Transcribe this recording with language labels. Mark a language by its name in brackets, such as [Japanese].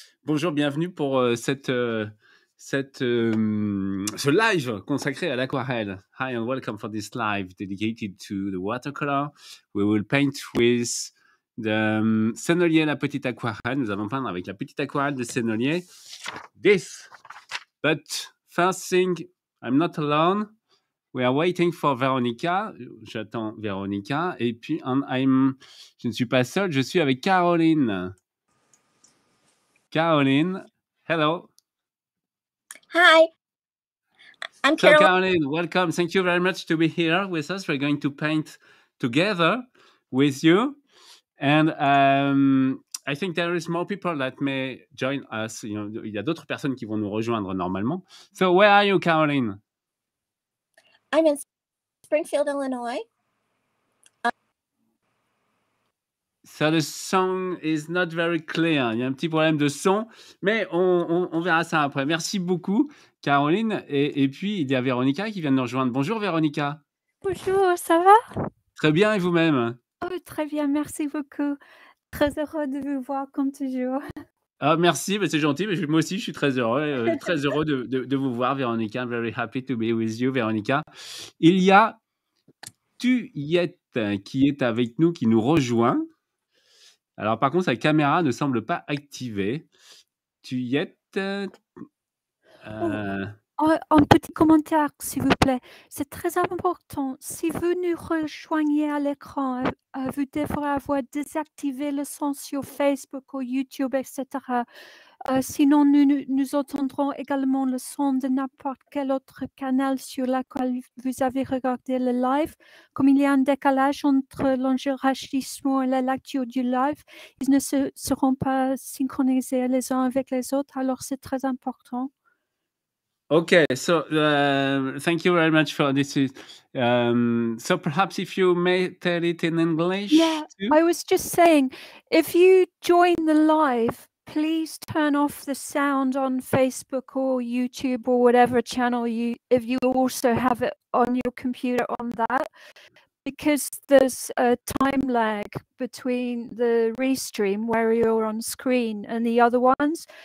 [French] Bonjour, bienvenue pour ce live consacré à l'aquarelle. [English] Hi and welcome for this live dedicated to the watercolor. We will paint with the Sennelier, la petite aquarelle. [French] Nous allons peindre avec la petite aquarelle de Sennelier. [English] This. But first thing, I'm not alone. We are waiting for Veronica. [French] J'attends Veronica. Et puis, je ne suis pas seul, je suis avec Caroline. [English] Caroline, hello. Hi. I'm Caroline. So, Caroline, welcome. Thank you very much to be here with us. We're going to paint together with you. And I think there is more people that may join us. [French] Il y a d'autres personnes qui vont nous rejoindre normalement. [English] So, where are you, Caroline? I'm in Springfield, Illinois. So the song is not very clear. [French] Il y a un petit problème de son, mais on verra ça après. Merci beaucoup, Caroline. Et puis, il y a Véronica qui vient de nous rejoindre. Bonjour, Véronica. Bonjour, ça va? Très bien, et vous-même? Oh, très bien, merci beaucoup. Très heureux de vous voir, comme toujours. Ah, merci, c'est gentil. Mais moi aussi, je suis très heureux de vous voir, Véronica. [English] I'm very happy to be with you, Véronica. [French] Il y a Tuyette qui est avec nous, qui nous rejoint. Alors, par contre, sa caméra ne semble pas activée. Tuyette. Un petit commentaire, s'il vous plaît. C'est très important. Si vous nous rejoignez à l'écran, vous devrez avoir désactivé le son sur Facebook ou YouTube, etc. Sinon, nous entendrons également le son de n'importe quel autre canal sur lequel vous avez regardé le live. Comme il y a un décalage entre l'enregistrement et la lecture du live, ils ne seront pas synchronisés les uns avec les autres. Alors, c'est très important. [English] Okay, so thank you very much for this. So perhaps if you may tell it in English. Yeah, too. I was just saying, if you join the live, please turn off the sound on Facebook or YouTube or whatever channel if you also have it on your computer on that, because there's a time lag between the restream where you're on screen and the other ones.